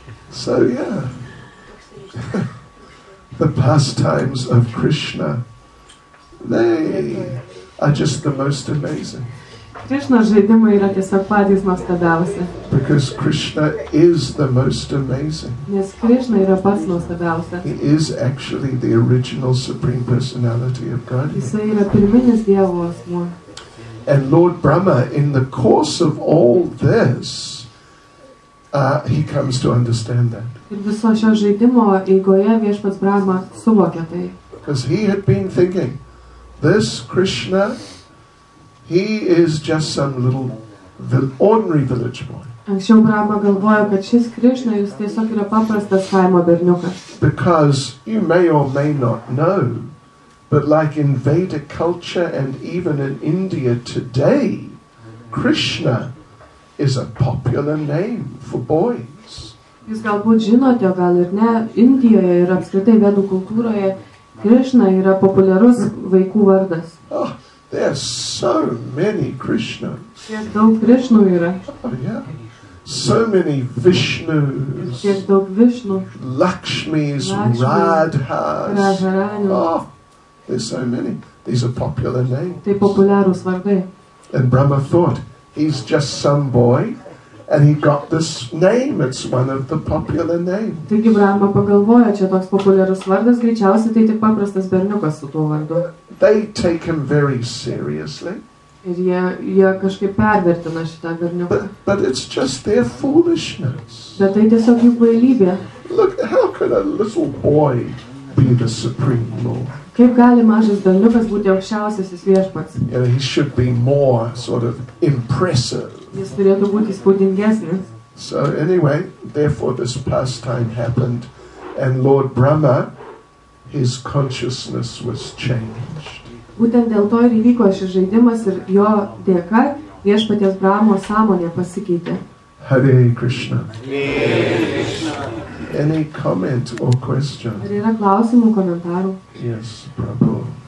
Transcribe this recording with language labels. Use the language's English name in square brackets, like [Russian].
[English] So yeah. The pastimes of Krishna, they are just the most amazing. [Lithuanian] Krishna's žaidimai yra tiesiog patys nuostabiausi. [English] Because Krishna is the most amazing. [Lithuanian] Nes Krishna yra pats nuostabiausias. [English] He is actually the original Supreme Personality of Godhead. [Lithuanian] Jis yra pirminis Dievo asmuo. [English] And Lord Brahma, in the course of all this, he comes to understand that. [Lithuanian] Ir viso šio žaidimo eigoje viešpats Brahma suvokia tai. [English] Because he had been thinking, this Krishna, he is just some little ordinary village boy. [Lithuanian] Anksčiau Brahma galvojo, kad šis Krishna jis tiesiog yra paprastas kaimo berniukas. [English] Because you may or may not know, but like in Vedic culture and even in India today, Krishna is a popular name for boys. [Lithuanian] Jūs galbūt žinote, gal ir ne, Indijoje ir apskritai Vedų kultūroje Krishna yra populiarus vaikų vardas. [English] Oh. There are so many Krishnas. [Lithuanian] Tiek daug Krishnų yra. [English] Oh, yeah. So many Vishnus. [Lithuanian] Tiek daug Vishnų. [English] Lakshmis, Radhas. Radharanis. Oh, there's so many. These are popular names. [Lithuanian] Tai populiarūs vardai. [English] And Brahma thought, he's just some boy, and he got this name. It's one of the popular names. [Lithuanian] Taigi Brahma pagalvojo, čia toks populiarus vardas, greičiausiai tai tik paprastas berniukas su tuo vardu. [English] They take him very seriously. [Lithuanian] Ir jie kažkaip pervertina šitą berniuką. [English] But it's just their foolishness. [Lithuanian] Bet tai tiesiog jų kvailybė. [English] Look, how could a little boy be the supreme lord? [Lithuanian] Kaip gali mažas berniukas būti aukščiausiasis viešpats? [English] Yeah, he should be more sort of impressive. [Lithuanian] Jis turėtų būti įspūdingesnis. [English] So anyway, therefore this pastime happened, and Lord Brahma, his consciousness was changed. [Lithuanian] Būtent dėl to ir įvyko šis žaidimas, ir jo dėka viešpaties Brahmo sąmonė pasikeitė. [Sanskrit] Hare Krishna. Hare Krishna. [English] Any comment or question? [Lithuanian] Ar yra klausimų, komentarų? [English] Yes, Prabhu.